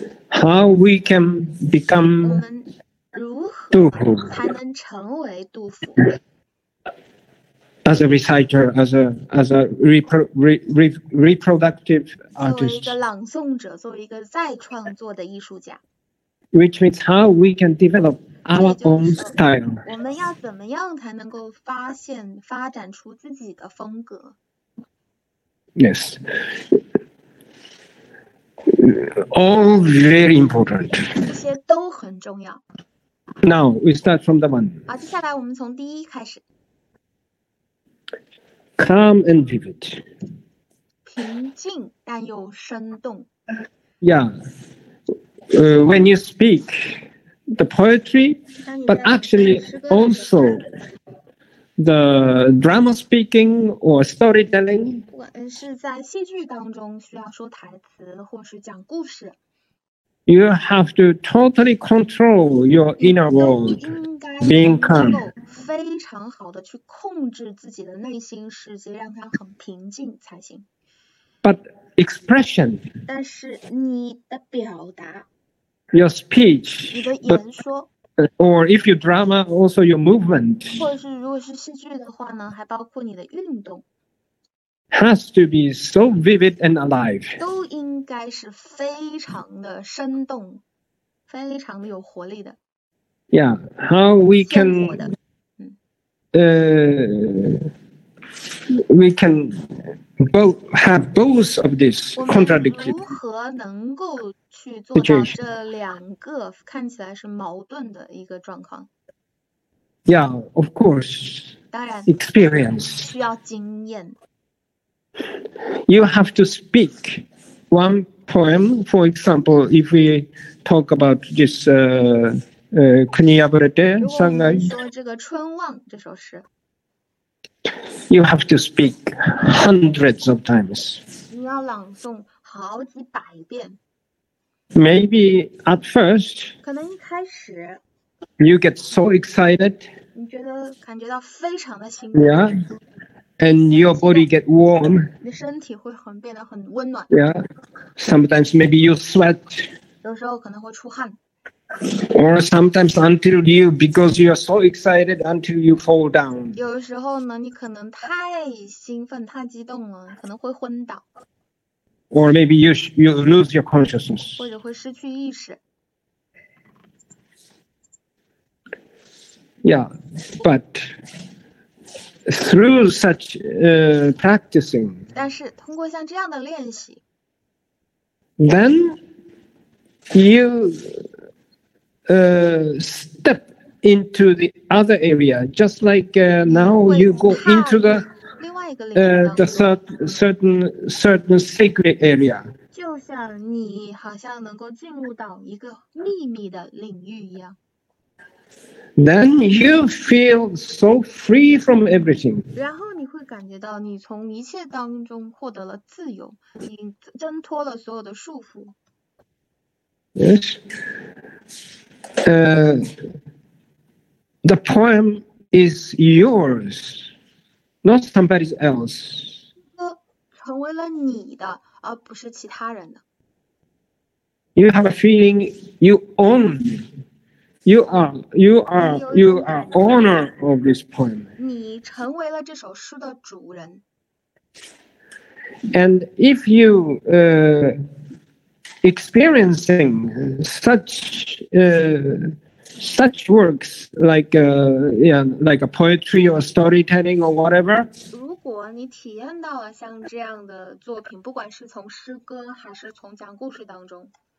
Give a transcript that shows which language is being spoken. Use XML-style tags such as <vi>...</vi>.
<en>How we can become</en> <zh>我们如何才能成为杜甫</zh> <en>？As a reciter, as a reproductive artist.</en> <zh>作为一个朗诵者，作为一个再创作的艺术家。</zh> <en>Which means how we can develop our own style.</en> <zh>我们要怎么样才能够发展出自己的风格</zh> <en>？Yes. All very important.</en> <zh>这些都很重要。</zh> <en>Now we start from the one.</en> <zh>好，接下来我们从第一开始。</zh> <en>Calm and vivid.</en> <zh>平静但又生动。</zh> <en>Yeah. When you speak the poetry, but actually also the drama speaking or storytelling.</en> <zh>是在戏剧当中需要说台词或是讲故事。</zh> <en>You have to totally control your inner world, being calm.</en> <zh>非常好的去控制自己的内心世界，让它很平静才行。</zh> <en>But expression.</en> <zh>但是你的表达。</zh> <en>Your speech.</en> <zh>你的演说。</zh> <en>Or if you drama, also your movement.</en> <zh>或者是如果是戏剧的话呢，还包括你的运动。</zh> <en>has to be so vivid and alive.</en> <zh>都应该是非常的生动，非常的有活力的。</zh> <en>Yeah, how we can, we can both have both of this contradictory situation.</en> <zh>我们如何能够去做到这两个看起来是矛盾的一个状况？</zh> <en>Yeah, of course.</en> <zh>当然</zh> <en>experience</en> <zh>需要经验。</zh> <en>You have to speak one poem, for example, if we talk about this, Kuniyaburete Sangai.</en> <zh>如果说这个《春望》这首诗。</zh> <en>You have to speak hundreds of times.</en> <zh>你要朗诵好几百遍。</zh> <en>Maybe at first.</en> <zh>可能一开始。</zh> <en>You get so excited.</en> <zh>你觉得感觉到非常的兴奋。</zh> <en>Yeah. And your body get warm.</en> <zh>你身体会很变得很温暖。</zh> <en>Yeah. Sometimes maybe you sweat.</en> <zh>有时候可能会出汗。</zh> <en>Or sometimes until you, because you are so excited, until you fall down.</en> <zh>有时候呢，你可能太兴奋、太激动了，可能会昏倒。</zh> <en>Or maybe you lose your consciousness.</en> <zh>或者会失去意识。</zh> <en>Yeah, but. Through such practicing,</en> <zh>但是通过像这样的练习</zh> <en>then you step into the other area, just like now you go into the</en> <zh>另外一个领域</zh> <en>the certain sacred area.</en> <zh>就像你好像能够进入到一个秘密的领域一样。</zh> <en>Then you feel so free from everything.</en> <zh>然后你会感觉到你从一切当中获得了自由，你挣脱了所有的束缚。</zh> <en>Yes. The poem is yours, not somebody else.</en> <zh>成为了你的，而不是其他人的。</zh> <en>You have a feeling you own. You are owner of this poem.</en> <zh>你成为了这首诗的主人。</zh> <en>And if you experiencing such works like a poetry or storytelling or whatever.</en> <zh>如果你体验到了像这样的作品，不管是从诗歌还是从讲故事当中。</zh>